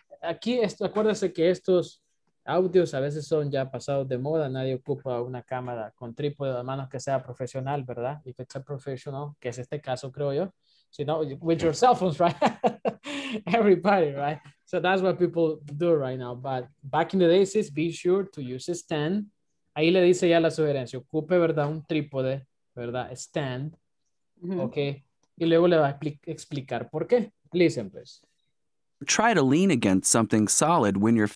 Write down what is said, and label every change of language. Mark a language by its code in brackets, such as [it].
[es] Aquí, esto, acuérdese que estos audios a veces son ya pasados de moda. Nadie ocupa una cámara con trípode, a menos que sea profesional, ¿verdad? [en] If it's a professional, [es] que es este caso, creo yo. [en] So, you know, with your cell phones, right? Everybody, right? So that's what people do right now. But back in the days, it's be sure to use a stand. [es] Ahí le dice ya la sugerencia. Ocupe, ¿verdad? Un trípode, ¿verdad? Stand. Ok. Y luego le va a explicar por qué. [en] Listen, please. Try to lean against something solid when you're...